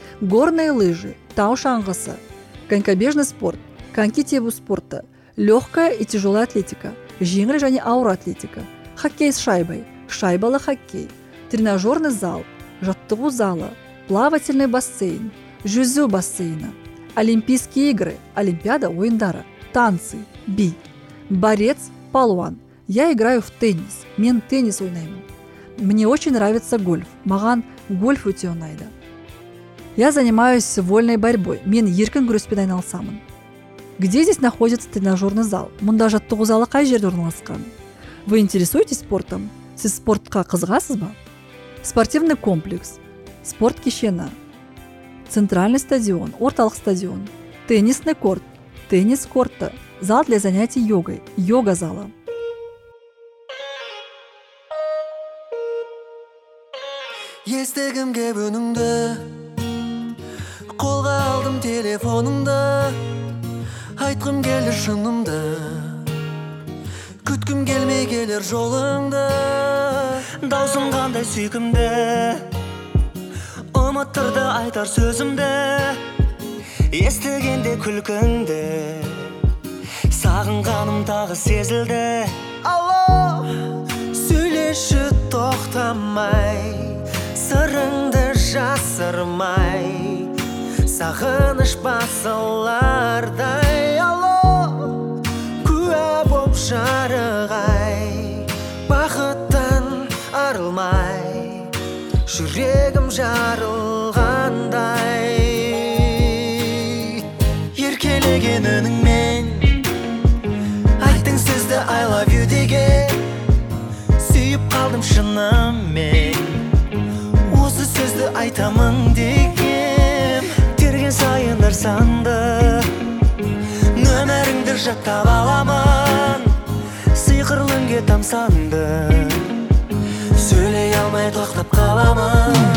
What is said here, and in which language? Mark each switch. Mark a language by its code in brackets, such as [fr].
[ru] Горные лыжи, [kk] тау шангаса, [ru] конькобежный спорт, [kk] коньки тебу спорта, [ru] легкая и тяжелая атлетика, [kk] жингри жани аура атлетика, [ru] хоккей с шайбой, [kk] шайбала хоккей, [ru] тренажерный зал, [kk] жаттығу зала, [ru] плавательный бассейн, [kk] жюзю бассейна, [ru] олимпийские игры, [kk] олимпиада ойындары, [ru] танцы, [kk] би, [ru] борец, [kk] палуан. [ru] Я играю в теннис, [kk] мен теннис ойнаймын. [ru] Мне очень нравится гольф, [kk] маған гольф өте ұнайды. [ru] Я занимаюсь вольной борьбой, [kk] мен еркін күреспен айналысамын. [ru] Где здесь находится тренажерный зал? [kk] Мұнда жаттығу залы қай жерде орналасқан? [ru] Вы интересуетесь спортом? [kk] Сіз спортқа қызығасыз ба? [ru] Спортивный комплекс, [kk] спорт кешені, [ru] центральный стадион, [kk] орталық стадион, [ru] теннисный корт, [kk] теннис корта, [ru] зал для занятий йогой, [kk] йога зала. Естігім кеп үніңді, қолға алдым телефоныңды, айтқым келер шынымды, күткім келмей келер жолыңды. Даусым қандай сүйкімді, ұмыттырды айтар сөзімді, естігенде күлкінді, сағынғаным тағы сезілді. Алло, сөйлеші тоқтамай, сырыңды жасырмай, сағыныш басылардай. Алло, куә боп жарығай, бақыттан арылмай, жүрегім жарылғандай. Еркелеген үніңмен айттың сөзді [en] I love you [kk] деген, сүйіп қалдым шынымен, сөзді айтамын деген. Терген сайын ырсанды, нөмеріңді жаттап аламын, сиқырлы үнге тамсанды, сөйлей алмай тоқтап қаламын.